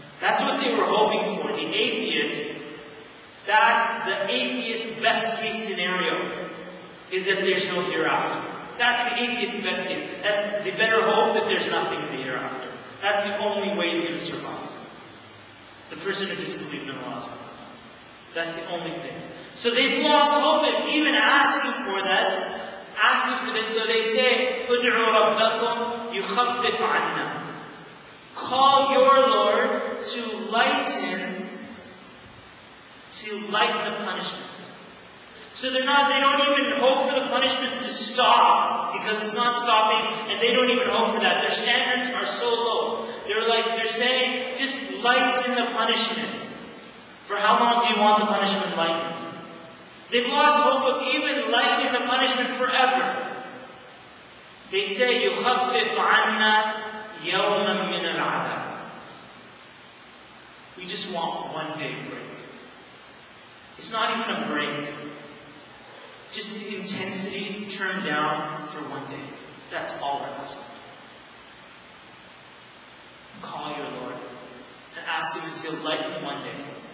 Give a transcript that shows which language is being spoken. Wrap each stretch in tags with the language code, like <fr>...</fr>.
<en>That's what they were hoping for. The atheist, that's the atheist best case scenario, is that there's no hereafter. That's the atheist best case. That's the better hope that there's nothing in the hereafter. That's the only way he's going to survive. The person who disbelieved in Allah. That's the only thing. So they've lost hope of even asking for this. So they say,</en> <ar>اُدْعُوا رَبَّكُمْ يُخَفِّفْ عَنَّا.</ar> <en>Call your Lord to lighten to lighten the punishment. So they don't even hope for the punishment to stop, because it's not stopping, and they don't even hope for that. Their standards are so low. They're saying, just lighten the punishment. For how long do you want the punishment lightened? They've lost hope of even lightening the punishment forever. They say,</en> <ar>يُخَفِّفْ عَنَّا يَوْمًا مِنَ الْعَذَابِ.</ar> <en>We just want one day break. It's not even a break. Just the intensity turned down for one day. That's all we're asking. Call your Lord and ask Him if He'll lighten one day.</en>